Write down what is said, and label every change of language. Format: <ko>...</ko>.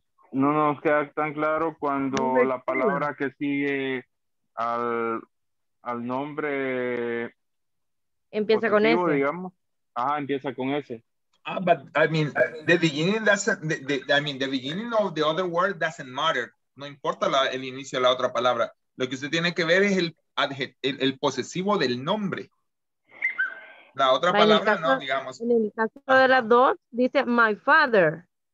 <es>No nos queda tan claro cuando la palabra que sigue al nombre. Empieza positivo, con S. Digamos. Ajá, empieza con S.</es> <en>The beginning of the other word doesn't matter.</en> <es>No importa el inicio de la otra palabra. Lo que usted tiene que ver es el posesivo del nombre. La otra palabra, caso, no, digamos. En el caso de las dos, dice</es> <en>my father.</en>